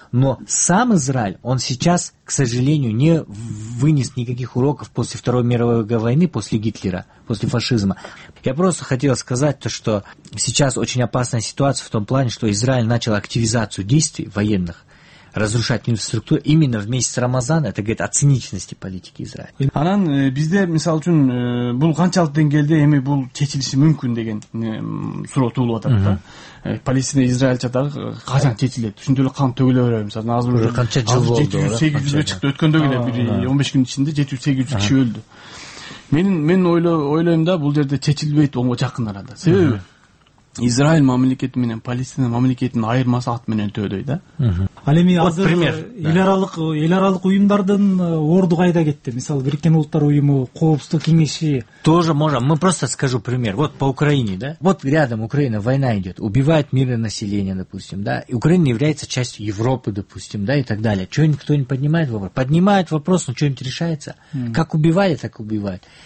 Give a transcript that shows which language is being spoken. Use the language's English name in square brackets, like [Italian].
[Russian] Но сам Израиль, он сейчас, к сожалению, не вынес никаких уроков после Второй мировой войны, после Гитлера, после фашизма. Я просто хотел сказать то, что сейчас очень опасная ситуация в том плане, что Израиль начал активизацию действий военных, разрушать инфраструктуру именно в месяц Рамазана, это говорит о циничности политики Израиля. [Kyrgyz] Анан бизде мисалы үчүн бул канчалык деңгээлде эми бул чечилиши мүмкүн деген суроо туулуп атат да. Палестина Израиль чатагы качан чечилет? Ушундай эле кан төгүлө берет мисалы азыр [Russian] уже [Kyrgyz] канча жыл болду? 700-800 чыкты өткөндө эле 15 күн ичинде 700-800 киши өлдү. Мен ойлойм да бул жерде чечилбейт оңго жакын арада. Себеби Израиль мамлекети менен Палестина мамлекетинин айырмасы ат менен төөдөй да. Ал эми азыр эл аралык уюмдардын орду кайда кетти? Мисалы Бириккен Улуттар Уюму, Коопсуздук Кеңеши. [Russian] Тоже можно, мы просто скажу пример. Вот по Украине, да? Вот рядом Украина, война идет, убивает мирное население, допустим, да? И Украина является частью Европы, допустим, да, и так далее. Что-нибудь кто-нибудь поднимает вопрос? Поднимает вопрос, но что-нибудь решается? Как убивали, так убивают.